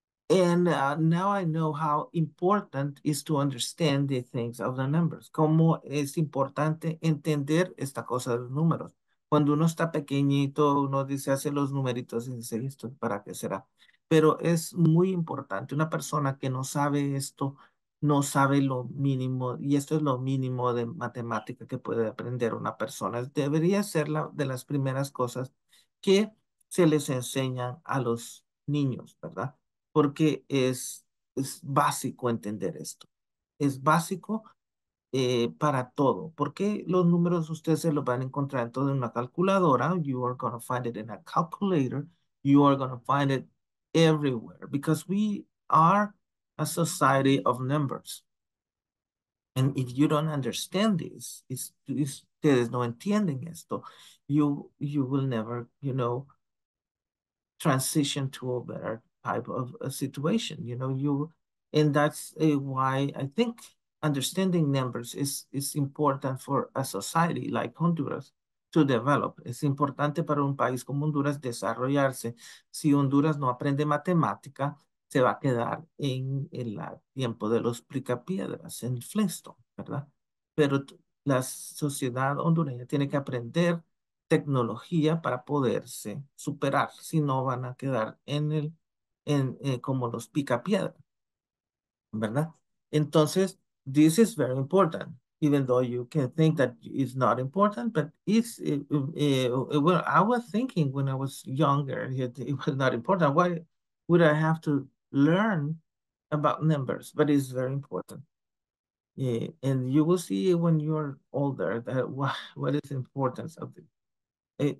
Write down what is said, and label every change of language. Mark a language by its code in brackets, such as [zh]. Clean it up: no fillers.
[en] And now I know how important it is to understand the things of the numbers. [es] ¿Cómo es importante entender esta cosa de los números? Cuando uno está pequeñito, uno dice, hace los numeritos y dice, ¿esto para qué será? Pero es muy importante. Una persona que no sabe esto, no sabe lo mínimo, y esto es lo mínimo de matemática que puede aprender una persona. Debería ser la de las primeras cosas que se les enseña a los niños, ¿verdad? Porque es básico entender esto. Es básico para todo. Porque los números ustedes se los van a encontrar en toda una calculadora. [en] You are going to find it in a calculator. You are going to find it everywhere, because we are a society of numbers. And if you don't understand this, [es] ustedes no entienden esto, [en] you will never, you know, transition to a better type of a situation. You know, why I think understanding numbers is important for a society like Honduras to develop. [es] Es importante para un país como Honduras desarrollarse. Si Honduras no aprende matemática, se va a quedar en el tiempo de los picapiedras, en Flesto, ¿verdad? Pero la sociedad hondureña tiene que aprender tecnología para poderse superar, si no van a quedar en el como los picapiedras, ¿verdad? [en] Entonces, this is very important, even though you can think that it's not important, but it's, well, I was thinking when I was younger, it was not important. Why would I have to learn about numbers? But it's very important. And you will see when you're older that what is the importance of it.